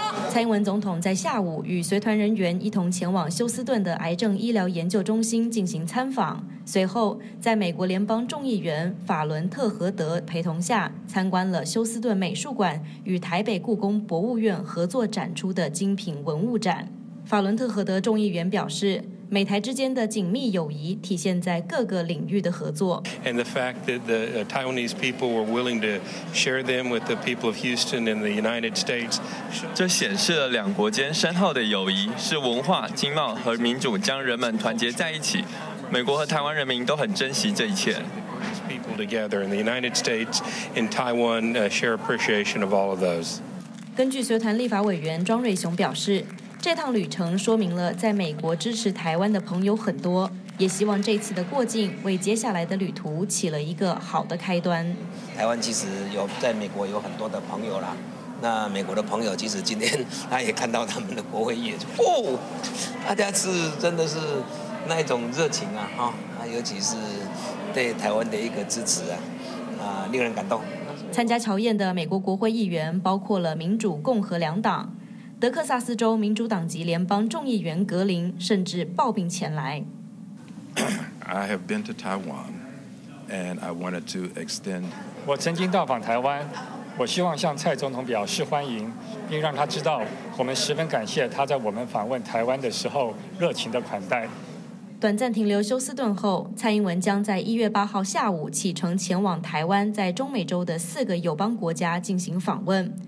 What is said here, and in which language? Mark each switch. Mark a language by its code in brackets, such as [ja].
[zh] 蔡英文总统在下午与随团人员一同前往休斯顿的癌症医疗研究中心进行参访，随后在美国联邦众议员法伦特和德陪同下参观了休斯顿美术馆与台北故宫博物院合作展出的精品文物展。法伦特和德众议员表示，美台之间的紧密友谊体现在各个领域的合作。 [en] And the fact that the Taiwanese people were willing to share them with the people of Houston and the United States， [zh] 这显示了两国间深厚的友谊，是文化、经贸和民主将人们团结在一起。美国和台湾人民都很珍惜这一切。 [en] People together in the United States and Taiwan share appreciation of all of those。 [zh] 根据随团立法委员庄瑞雄表示。这趟旅程说明了在美国支持台湾的朋友很多，也希望这次的过境为接下来的旅途起了一个好的开端。台湾其实有在美国有很多的朋友啦，那美国的朋友其实今天他也看到他们的国会议员，大家是真的是那种热情啊，尤其是对台湾的一个支持啊，令人感动。参加乔宴的美国国会议员包括了民主共和两党，德克萨斯州民主党籍联邦众议员格林甚至抱病前来。 [en] I have been to Taiwan, and I wanted to extend. [zh] 我曾经到访台湾，我希望向蔡总统表示欢迎，并让他知道我们十分感谢他在我们访问台湾的时候热情的款待。短暂停留休斯顿后，蔡英文将在1月8号下午启程前往台湾，在中美洲的四个友邦国家进行访问。